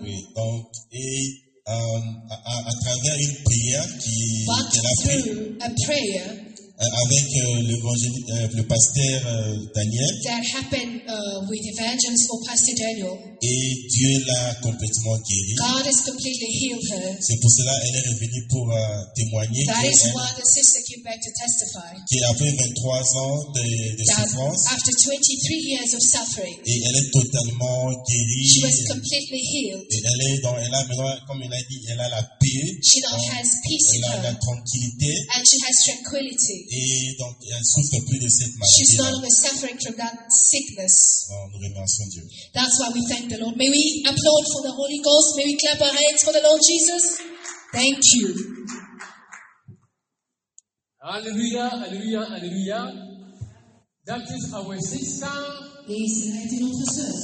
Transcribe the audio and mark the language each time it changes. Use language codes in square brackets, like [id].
[fr] Oui, oui. Donc à travers une prière qu'elle a prise. [en] A prayer. [fr] Avec le pasteur Daniel. [en] That happened with evangelist or Pastor Daniel. [fr] Et Dieu l'a complètement guérie. [en] God has completely healed her. [fr] C'est pour cela qu'elle est revenue pour témoigner. [en] That is why the sister came back to testify. [fr] Qui après 23 ans de souffrance. [en] After 23 years of suffering. [fr] Et elle est totalement guérie. [en] She was completely healed. [fr] Et elle est dans, elle a besoin, comme elle a dit, elle a la paix. [en] She now has peace. [fr] Elle a la tranquillité. [en] And she has tranquility. [fr] Et donc, elle ne souffre plus de cette maladie. [en] She's no longer suffering from that sickness. [fr] Oh, nous remercions Dieu. [en] That's why we thank the Lord. May we applaud for the Holy Ghost. May we clap our hands for the Lord Jesus. Thank you. Alléluia, alléluia, alléluia. That is our sister. [fr] Et cela était notre sœur.